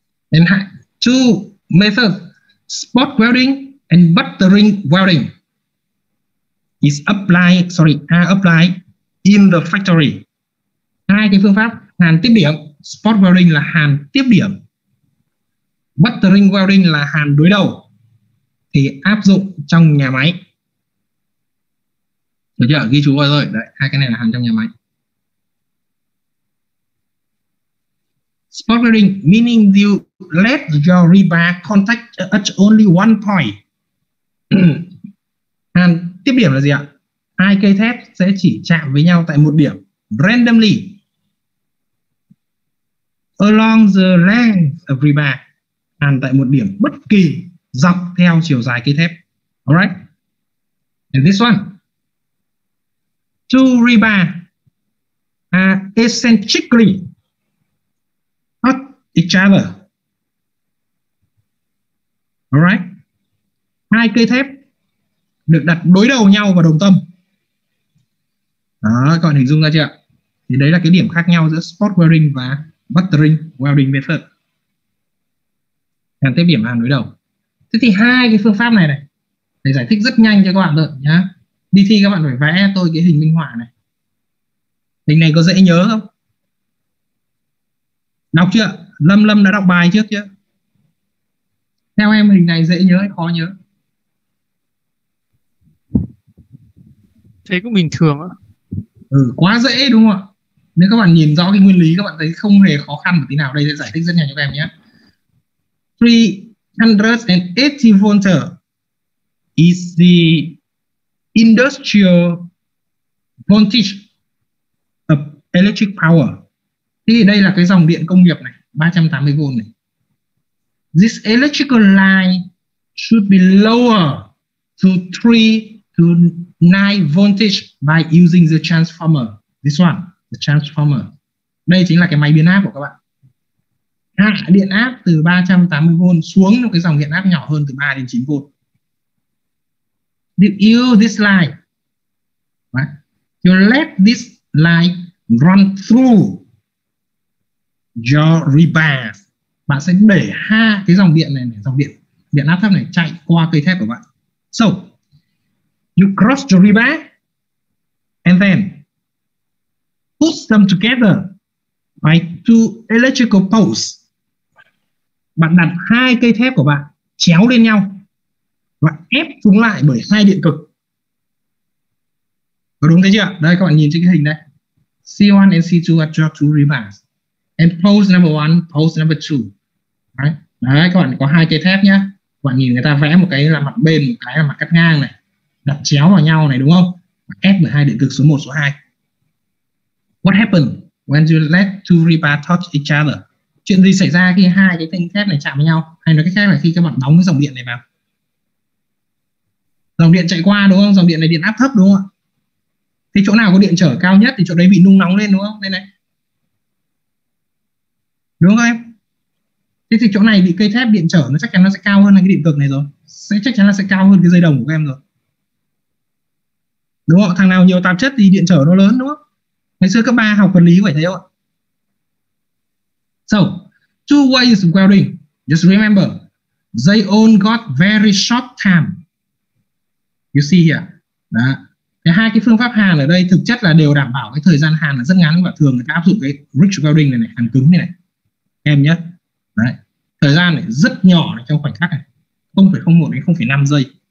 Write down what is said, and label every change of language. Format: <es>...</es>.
<en>And two methods, spot welding and buttering welding, are applied in the factory.</en> <vi>Hai cái phương pháp hàn tiếp điểm, spot welding là hàn tiếp điểm, buttering welding là hàn đối đầu, thì áp dụng trong nhà máy. Được chưa? Ghi chú vào rồi. Đấy, hai cái này là hàn trong nhà máy.</vi> <en>Spot welding, meaning you let your rebar contact at only one point.</en> <vi>Hàn tiếp điểm là gì ạ? Hai cây thép sẽ chỉ chạm với nhau tại một điểm,</vi> <en>randomly, along the length of rebar.</en> <vi>Hàn tại một điểm bất kỳ, dọc theo chiều dài cây thép.</vi> <en>Alright? And this one, two rebar are eccentrically each other.</en> <vi>Alright. Hai cây thép được đặt đối đầu nhau và đồng tâm. Đó, các bạn hình dung ra chưa ạ? Thì đấy là cái điểm khác nhau giữa spot wearing và buttering welding method. Hàn tiếp điểm hàn đối đầu. Thế thì hai cái phương pháp này này, thầy giải thích rất nhanh cho các bạn rồi nhá. Đi thi các bạn phải vẽ tôi cái hình minh họa này. Hình này có dễ nhớ không? Đọc chưa? Lâm Lâm đã đọc bài trước chưa? Theo em hình này dễ nhớ hay khó nhớ? Thấy cũng bình thường á. Ừ, quá dễ đúng không ạ? Nếu các bạn nhìn rõ cái nguyên lý các bạn thấy không hề khó khăn một tí nào. Đây sẽ giải thích rất nhanh cho các em nhé.</vi> <en>380 volt is the industrial voltage of electric power.</en> <vi>Thì đây là cái dòng điện công nghiệp này, 380 volt này.</vi> <en>This electrical line should be lower to 3 to 9 voltage by using the transformer. This one, the transformer.</en> <vi>Đây chính là cái máy biến áp của các bạn. Hạ điện áp từ 380 volt xuống một cái dòng điện áp nhỏ hơn từ 3 đến 9 volt.</vi> <en>Did you use this line? What? You let this line run through your rebar.</en> <vi>Bạn sẽ để hai cái dòng điện này, dòng điện điện áp thấp này chạy qua cây thép của bạn.</vi> <en>So, you cross the rebar and then put them together by two electrical poles.</en> <vi>Bạn đặt hai cây thép của bạn chéo lên nhau và ép chúng lại bởi hai điện cực. Có đúng thế chưa? Đây các bạn nhìn trên cái hình này.</vi> <en>C1 and C2 are drawn to rebars. And pole number 1, pole number 2.</en> <vi>Đấy, các bạn có hai cây thép nhá. Các bạn nhìn người ta vẽ một cái là mặt bên, một cái là mặt cắt ngang này, đặt chéo vào nhau này đúng không? Và ép bởi hai điện cực số 1, số 2.</vi> <en>What happened when you let two rebar touch each other?</en> <vi>Chuyện gì xảy ra khi hai cái thanh thép này chạm vào nhau? Hay nói cách khác là khi các bạn đóng cái dòng điện này vào. Dòng điện chạy qua đúng không? Dòng điện này điện áp thấp đúng không ạ? Thì chỗ nào có điện trở cao nhất thì chỗ đấy bị nung nóng lên đúng không? Đây này. Đúng không em? Thế thì chỗ này bị cây thép điện trở nó chắc chắn nó sẽ cao hơn là cái điện cực này rồi. Sẽ chắc chắn là sẽ cao hơn cái dây đồng của em rồi. Đúng không? Thằng nào nhiều tạp chất thì điện trở nó lớn đúng không? Ngày xưa cấp 3 học vật lý phải thấy không ạ?</vi> <en>So, two ways of welding. Just remember, they all got very short time. You see here. Đó.</en> <vi>Thì hai cái phương pháp hàn ở đây thực chất là đều đảm bảo cái thời gian hàn là rất ngắn và thường người ta áp dụng cái rich welding này này, hàn cứng này này. Em nhé. Đấy. Thời gian này rất nhỏ này, trong khoảnh khắc này. 0.01 đến 0.5 giây.</vi>